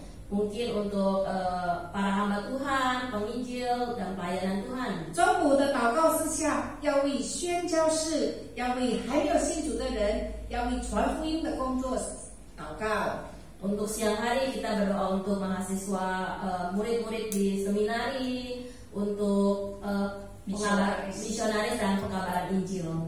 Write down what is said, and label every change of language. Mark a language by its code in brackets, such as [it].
[id] Mungkin untuk para hamba Tuhan, penginjil dan pelayanan Tuhan. [zh] 中午的祷告事项要为宣教士，要为还有信主的人，要为传福音的工作祷告。 [id] Untuk siang hari kita berdoa untuk mahasiswa murid-murid di seminari, untuk misionaris dan pengabaran Injil.